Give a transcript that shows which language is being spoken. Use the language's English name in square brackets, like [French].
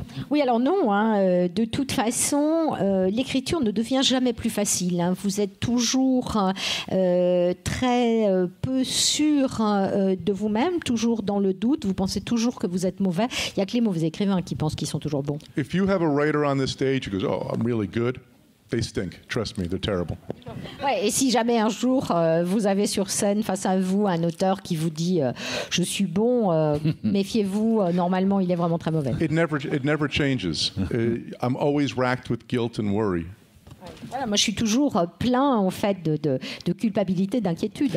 [French] Oui, alors non, hein. De toute façon, l'écriture ne devient jamais plus facile. Hein. Vous êtes toujours très peu sûr de vous-même, toujours dans le doute. Vous pensez toujours que vous êtes mauvais. Il n'y a que les mauvais écrivains qui pensent qu'ils sont toujours bons. [English] If you have a writer on this stage who goes, oh, I'm really good, they stink. Trust me, they're terrible. [French] Ouais, et si jamais un jour vous avez sur scène face à vous un auteur qui vous dit je suis bon, méfiez-vous. Normalement, il est vraiment très mauvais. [English] It never changes. I'm always racked with guilt and worry. [French] Voilà, moi, je suis toujours plein en fait de culpabilité, d'inquiétude.